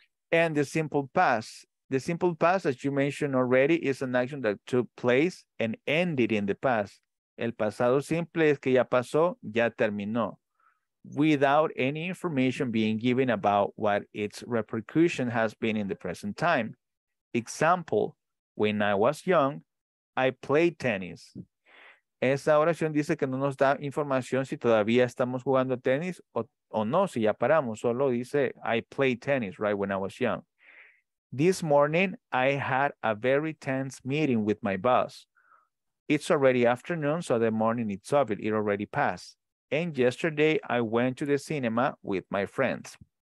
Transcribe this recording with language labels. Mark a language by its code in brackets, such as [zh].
[en] And the simple past. The simple past, as you mentioned already, is an action that took place and ended in the past. [es] El pasado simple es que ya pasó, ya terminó, [en] without any information being given about what its repercussion has been in the present time. Example, when I was young, I played tennis. [es] Esa oración dice que no nos da información si todavía estamos jugando tenis o no, si ya paramos. [en] Solo dice, I played tennis, right, when I was young. This morning, I had a very tense meeting with my boss. It's already afternoon, so the morning it's over. It already passed. And yesterday, I went to the cinema with my friends.